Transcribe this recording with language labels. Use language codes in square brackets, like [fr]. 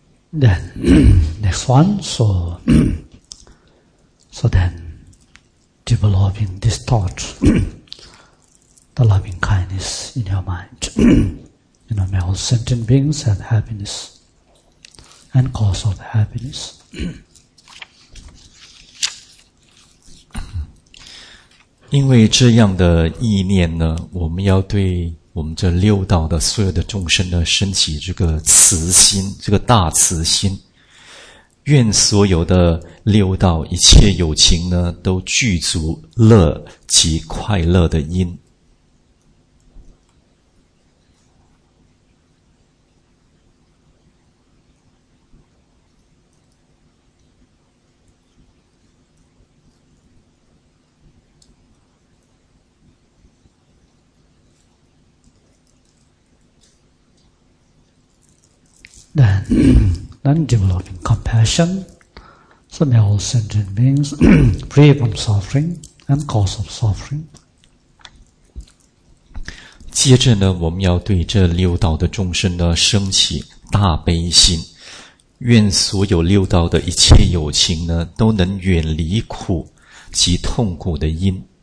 [en] Then, next one, so then, developing this thought, the loving kindness in your mind, you know, may all sentient beings have happiness, and cause of happiness. [zh] 因为这样的意念呢，我们要对我们这六道的所有的众生呢，升起这个慈心，这个大慈心，愿所有的六道一切有情呢，都具足乐及快乐的因。 [en] Then developing compassion, so may all sentient beings free from suffering and cause of suffering. [zh] 接着呢，我们要对这六道的众生呢升起大悲心，愿所有六道的一切有情呢都能远离苦及痛苦的因。